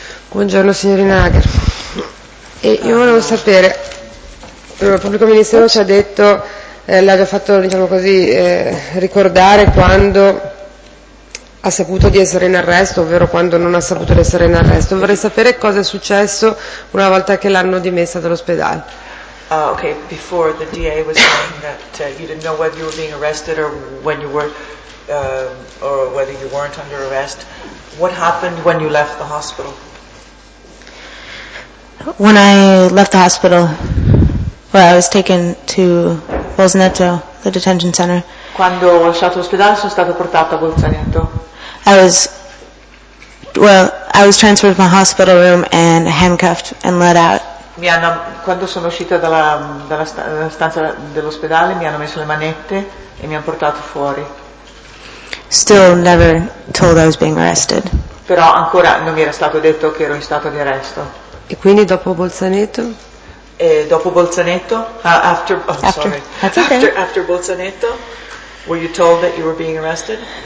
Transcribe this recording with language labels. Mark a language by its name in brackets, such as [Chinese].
[Italian] Buongiorno signorina Hager. E io volevo sapere, il pubblico ministero ci ha detto, l'ha già fatto, diciamo così, ricordare quando ha saputo di essere in arresto, ovvero quando non ha saputo di essere in arresto. Vorrei sapere cosa è successo una volta che l'hanno dimessa dall'ospedale. [English] Okay, before the DA was saying that you didn't know whether you were being arrested or when you were or whether you weren't under arrest. What happened when you left the hospital? When I left the hospital, well, I was taken to Bolzaneto, the detention center. [Italian] Quando ho lasciato l'ospedale sono stato portato a Bolzaneto. [English] I was transferred to my hospital room and handcuffed and let out. [Italian] Quando sono uscita dalla stanza dell'ospedale mi hanno messo le manette e mi hanno portato fuori. [English] Still never told I was being arrested. [Italian] Però ancora non mi era stato detto che ero in stato di arresto. E quindi dopo Bolzaneto? E dopo Bolzaneto? [English] After Bolzaneto, were you told that you were being arrested?